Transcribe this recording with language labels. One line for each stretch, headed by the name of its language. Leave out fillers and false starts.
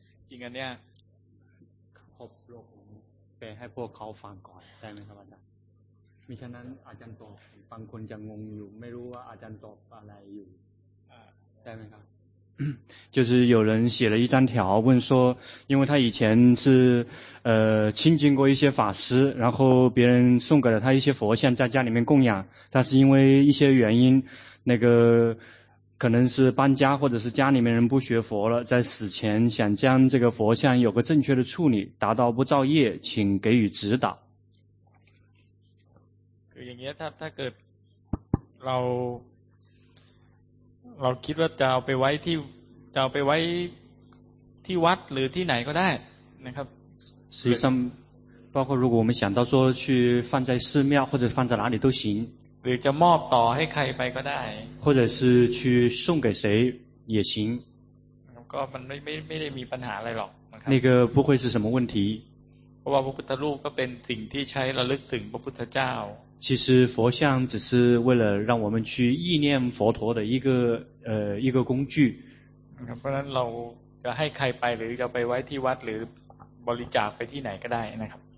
Thai: จริงอันเนี้ยครบโลกไปให้พวกเขาฟังก่อนได้ไหมครับอาจารย์มิฉะนั้นอาจารย์ตอบบางคนจะงงอยู่ไม่รู้ว่าอาจารย์ตอบอะไรอยู่ได้ไหมครับ
Chinese: 就是有人写了一张条问说因为他以前是亲近过一些法师然后别人送给了他一些佛像在家里面供养但是因为一些原因那个可能是搬家或者是家里面人不学佛了在死前想将这个佛像有个正确的处理达到不造业请给予指导
Thai: คืออย่างเงี้ยถ้าเกิดเราคิดว่าจะเอาไปไว้ที่จะเอาไปไว้ที่วัดหรือที่ไหนก็ได้นะครับ ซึ่ง
Chinese: 包括如果我们想到说去放在寺庙或者放在哪里都行
Thai: หรือจะมอบต่อให้ใครไปก็ได้
Chinese: 或者是去送给谁也行
Thai: ก็มันไม่ได้มีปัญหาอะไรหรอก นี่ก็
Chinese: 不会是什么问题
Thai: เพราะว่าพระพุทธรูปก็เป็นสิ่งที่ใช้ระลึกถึงพระพุทธเจ้า
Chinese: 其实佛像只是为了让我们去意念佛陀的一个工具
Thai: เพราะฉะนั้นเราจะให้ใครไปหรือจะไปไว้ที่วัดหรือบริจาคไปที่ไหนก็ได้นะครับ